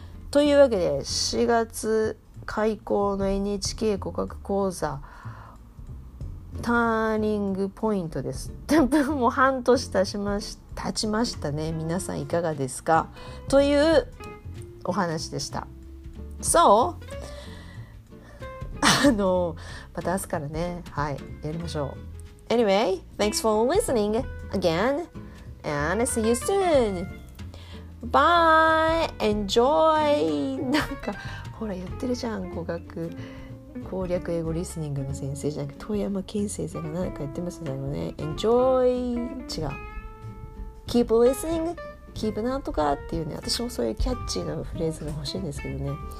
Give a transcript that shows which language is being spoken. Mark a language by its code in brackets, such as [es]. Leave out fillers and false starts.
[ja] というわけで4月開講の NHK 語学講座ターニングポイントです。もう半年経ちましたね。皆さんいかがですか、というお話でした。そう、また明日からね、はい、やりましょう。 [en] Anyway, thanks for listening again and see you soon. Bye! Enjoy! [ja] なんかほら言ってるじゃん、語学攻略英語リスニングの先生じゃなくて、遠山健先生が何か言ってますよね。 [en] Enjoy! [ja] 違う、 [en] Keep listening! [ja] Keep なんとかっていうね、私もそういうキャッチーなフレーズが欲しいんですけどね。